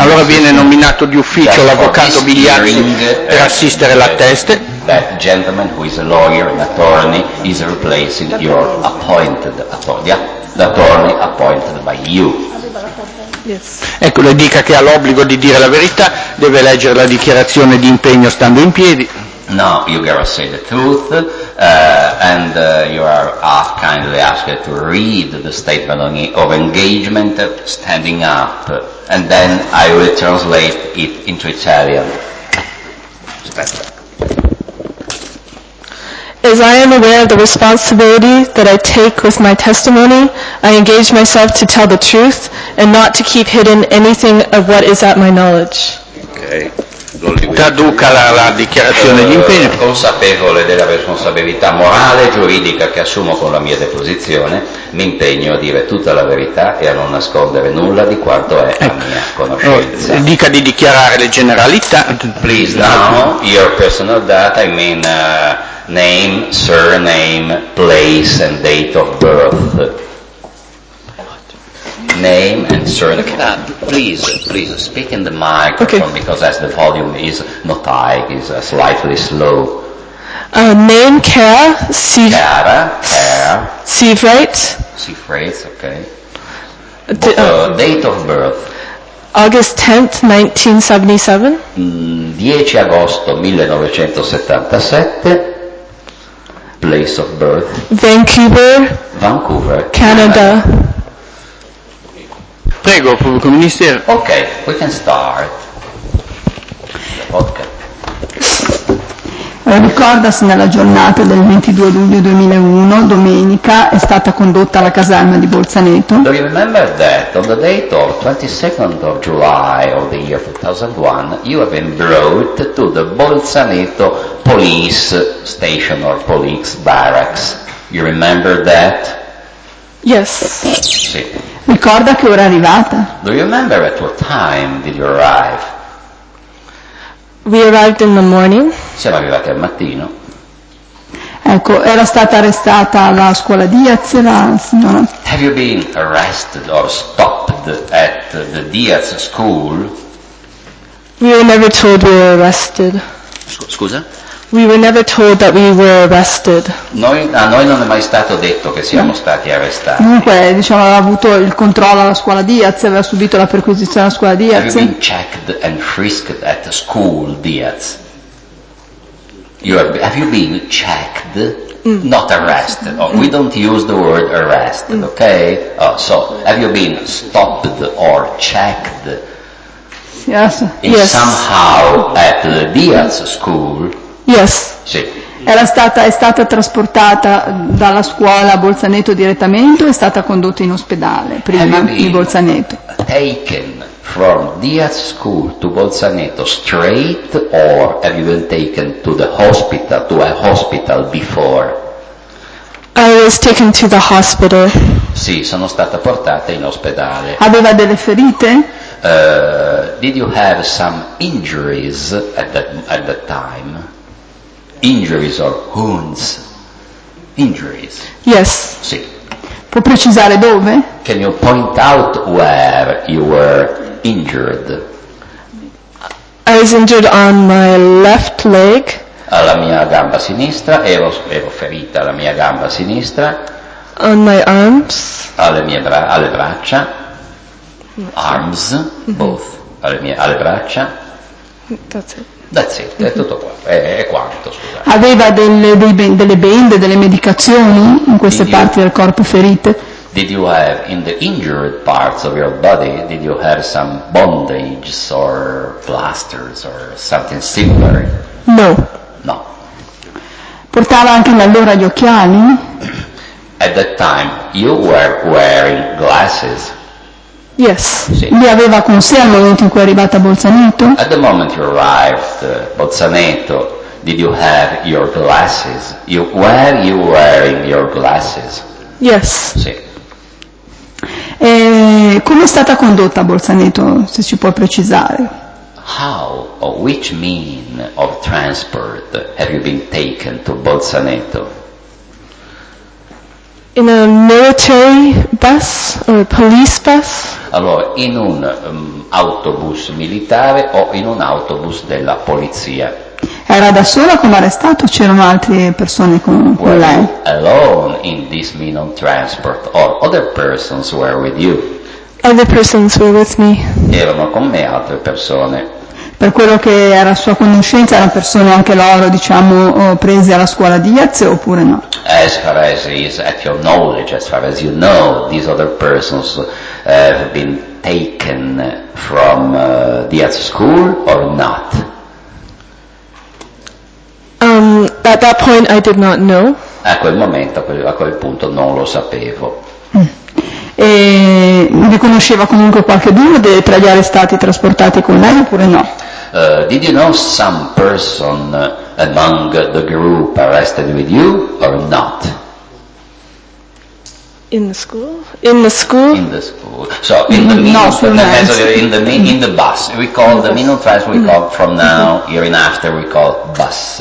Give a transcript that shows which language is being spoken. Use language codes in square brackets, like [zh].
[it] Allora viene nominato di ufficio l'avvocato Bigliazzi per assistere la teste. [en] That gentleman who is a lawyer and attorney is replacing your appointed attorney, the attorney appointed by you. [it] Ecco, le dica che ha l'obbligo di dire la verità, deve leggere la dichiarazione di impegno stando in piedi. [en] No, you gotta say the truth, and you are kindly asked to read the statement of engagement standing up, and then I will translate it into Italian. As I am aware of the responsibility that I take with my testimony, I engage myself to tell the truth and not to keep hidden anything of what is at my knowledge. Okay. [it] Traduca la dichiarazione di impegno. Consapevole della responsabilità morale e giuridica che assumo con la mia deposizione, mi impegno a dire tutta la verità e a non nascondere nulla di quanto è a mia conoscenza. Dica di dichiarare le generalità. [en] Please now, your personal data, I mean name, surname, place and date of birth. Name and surname. Okay. Please speak in the microphone, okay, because as the volume is not high, is slightly slow. Name Cara. Cara. Seafright. Seafright, okay. Date of birth. August 10th, 1977. [it] 10 agosto 1977. [en] Place of birth. Vancouver. Canada. [it] Prego, pubblico ministero. [en] Ok, we can start. Okay. [it] Ricorda se nella giornata del 22 luglio 2001, domenica, è stata condotta alla caserma di Bolzaneto. [en] Do you remember that on the date of 22nd of July of the year 2001, you have been brought to the Bolzaneto police station or police barracks? You remember that? Yes. [it] Sì. Ricorda che ora è arrivata. [en] Do you remember at what time did you arrive? We arrived in the morning. [it] Siamo arrivati al mattino. Ecco, era stata arrestata alla scuola Diaz, la signora. [en] Have you been arrested or stopped at the Diaz school? We were never told we were arrested. [it] Scusa? [en] We were never told that we were arrested. [it] Noi non è mai stato detto che siamo stati arrestati. Comunque, diciamo, aveva avuto il controllo alla scuola Diaz, aveva subito la perquisizione alla scuola Diaz. [en] Have you been checked and frisked at the school Diaz? Have you been checked? Not arrested. Oh, we don't use the word arrested, okay? Oh, so, have you been stopped or checked? Yes. Somehow at the Diaz school? Yes. [it] Sì. È stata trasportata dalla scuola a Bolzaneto direttamente o è stata condotta in ospedale prima di Bolzaneto? [en] Taken from Diaz school to Bolzaneto straight or have you been taken to the hospital, to a hospital before? I was taken to the hospital. [it] Sì, sono stata portata in ospedale. Aveva delle ferite? [en] Did you have some injuries at that time? Injuries or wounds? Injuries. Yes. [it] Sì. Può precisare dove? [en] Can you point out where you were injured? I was injured on my left leg. [it] Alla mia gamba sinistra, ero ferita alla mia gamba sinistra. [en] On my arms. [it] Alle braccia. Arms. Mm-hmm. Both. Alle braccia. [en] That's it. That's it, [it] mm-hmm. È tutto qua, è quanto, scusate. Aveva delle bende, delle medicazioni in queste parti del corpo ferite? [en] Did you have, in the injured parts of your body, did you have some bandages or plasters or something similar? No. [it] No. Portava anche allora gli occhiali? [en] At that time you were wearing glasses. Yes, [it] sì. Li aveva con sé al momento in cui è arrivata a Bolzaneto. [en] At the moment you arrived Bolzaneto, did you have your glasses? Were you wearing your glasses? Yes. [it] Sì. E come è stata condotta a Bolzaneto, se si può precisare? [en] How or which mean of transport have you been taken to Bolzaneto? In a military bus or a police bus? [it] Allora, in un autobus militare o in un autobus della polizia? Era da sola come arrestato o c'erano altre persone con lei? [en] Alone in this minimum transport or other persons were with you? Other persons were with me. [it] Erano con me altre persone. Per quello che era sua conoscenza, erano persone anche loro, diciamo, prese alla scuola Diaz oppure no? [en] As far as is at your knowledge, as far as you know, these other persons have been taken from Diaz school or not? At that point I did not know. [it] A quel momento, a quel punto non lo sapevo. E riconosceva comunque qualche uno tra gli arrestati trasportati con lei oppure no? [en] Did you know some person among the group arrested with you or not? In the bus. We call the minimum transport. We call from now, here and after, we call bus.